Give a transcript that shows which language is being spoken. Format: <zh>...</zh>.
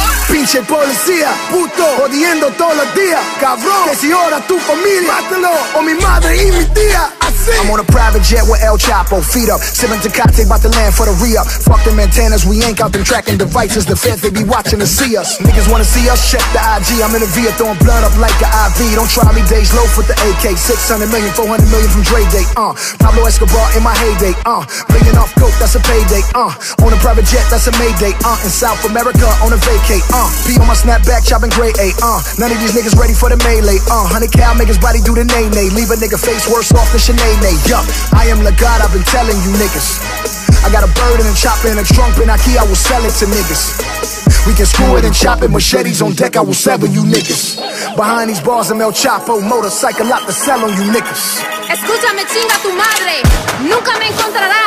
<es>Pinche policía, puto, jodiendo todos los días. Cabrón, que si ahora tu familia, mátalo, o mi madre y mi tía.</es> <en>I'm on a private jet with El Chapo, feet up. Sipping Tecate, about to land for the re-up. Fuck them antennas, we ain't got them tracking devices. The feds, they be watching to see us. Niggas wanna see us, check the IG. I'm in a via throwing blood up like an IV. Don't try me, Dej Loaf with the AK. 600 million, 400 million from Dre Day, Pablo Escobar in my heyday, Bringing off coke, that's a payday, On a private jet, that's a mayday, In South America, on a vacay, Be on my snapback, chopping gray A, None of these niggas ready for the melee, 100 cal, make his body do the nay-nay. Leave a nigga face worse off than Sinead. Yup, I am the God, I've been telling you niggas. I got a bird and a chopper and a trunk and a key, I will sell it to niggas. We can screw it and chop it, machetes on deck, I will sever you niggas. Behind these bars, I'm El Chapo, motorcycle out to sell on you niggas.</en> <es>Escúchame, chinga tu madre. Nunca me encontré.</es>